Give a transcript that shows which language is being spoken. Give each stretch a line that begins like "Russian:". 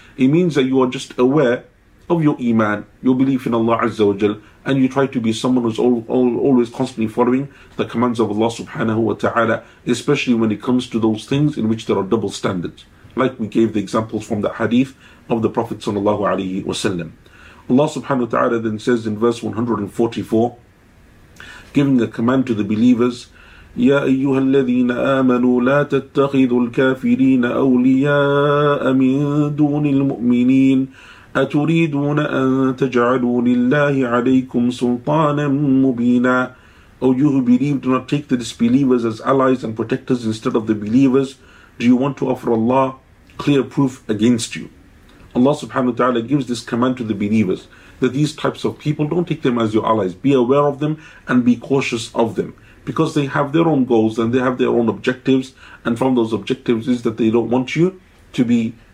English: It means that you are just aware of your Iman, your belief in Allah Azza wa Jal, and you try to be someone who's always constantly following the commands of Allah subhanahu wa ta'ala, especially when it comes to those things in which there are double standards. Like we gave the examples from the hadith of the Prophet sallallahu alayhi wa sallam. Allah subhanahu wa ta'ala then says in verse 144, giving a command to the believers,
Arabic: يَا أَيُّهَا الَّذِينَ آمَنُوا لَا تَتَّخِذُوا الْكَافِرِينَ أَوْلِيَاءَ مِن دُونِ الْمُؤْمِنِينَ أَتُرِيدُونَ أَن تَجْعَلُوا لِلَّهِ عَلَيْكُمْ سُلْطَانًا مُبِينًا.
English: O you who believe, do not take the disbelievers as allies and protectors instead of the believers. Do you want to offer Allah clear proof against you? Allah subhanahu wa ta'ala gives this command to the believers, that these types of people, don't take them as your allies. Be aware of them and be cautious of them, because they have their own goals and they have their own objectives, and from those objectives is that they don't want you to be